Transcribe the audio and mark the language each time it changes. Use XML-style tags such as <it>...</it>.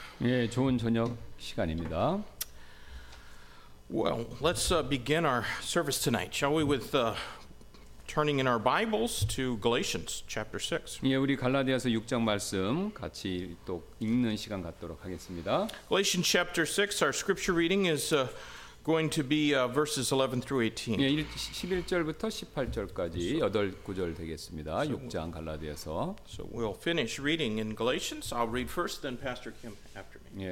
<ko>예, 좋은 저녁 시간입니다.</ko> <en>Well, let's begin our service tonight, shall we, with turning in our Bibles to Galatians chapter 6.</en> <ko>예, 우리 갈라디아서 6장 말씀 같이 또 읽는 시간 갖도록 하겠습니다.</ko> <en>Galatians chapter 6, our scripture reading is going to be verses 11 through 18.</en> <ko>예, 11절부터 18절까지 여덟 구절 되겠습니다. 6장 갈라디아서.</ko> <en>So we'll finish reading in Galatians. I'll read first, then Pastor Kim after me.</en>